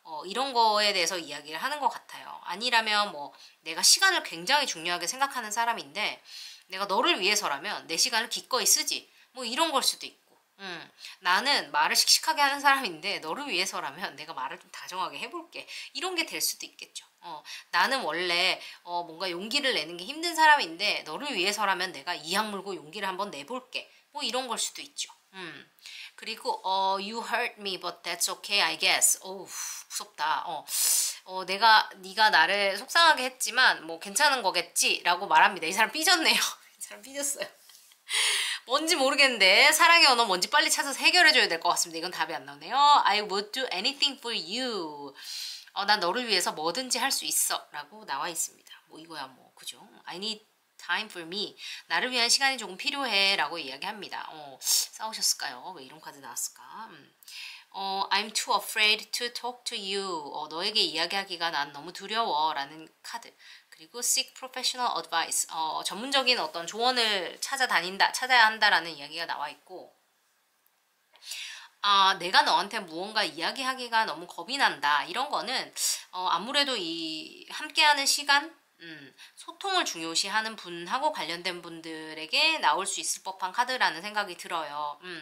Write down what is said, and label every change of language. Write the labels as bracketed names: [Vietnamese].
[Korean] 이런 거에 대해서 이야기를 하는 것 같아요. 아니라면 뭐 내가 시간을 굉장히 중요하게 생각하는 사람인데 내가 너를 위해서라면 내 시간을 기꺼이 쓰지. 뭐 이런 걸 수도 있고. 나는 말을 씩씩하게 하는 사람인데 너를 위해서라면 내가 말을 좀 다정하게 해볼게. 이런 게될 수도 있겠죠. 나는 원래 뭔가 용기를 내는 게 힘든 사람인데 너를 위해서라면 내가 이악 물고 용기를 한번 내볼게. 뭐 이런 걸 수도 있죠. 그리고 [English] you hurt me, but that's okay, I guess. [Korean] 오우, 무섭다. 네가 나를 속상하게 했지만 뭐 괜찮은 거겠지라고 말합니다. 이 사람 삐졌네요. 이 사람 삐졌어요. 뭔지 모르겠는데 사랑의 언어 뭔지 빨리 찾아서 해결해 줘야 될것 같습니다. 이건 답이 안 나오네요. [English] I would do anything for you. [Korean] 난 너를 위해서 뭐든지 할수 있어라고 나와 있습니다. 뭐 이거야 뭐 그죠? [English] I need Time for me. [Korean] 나를 위한 시간이 조금 필요해라고 이야기합니다. 싸우셨을까요? 왜 이런 카드 나왔을까? [English] I'm too afraid to talk to you. [Korean] 너에게 이야기하기가 난 너무 두려워라는 카드. 그리고 [English] seek professional advice. [Korean] 전문적인 어떤 조언을 찾아야 한다라는 이야기가 나와 있고. 내가 너한테 무언가 이야기하기가 너무 겁이 난다. 이런 거는 아무래도 이 함께하는 시간 소통을 중요시하는 분하고 관련된 분들에게 나올 수 있을 법한 카드라는 생각이 들어요.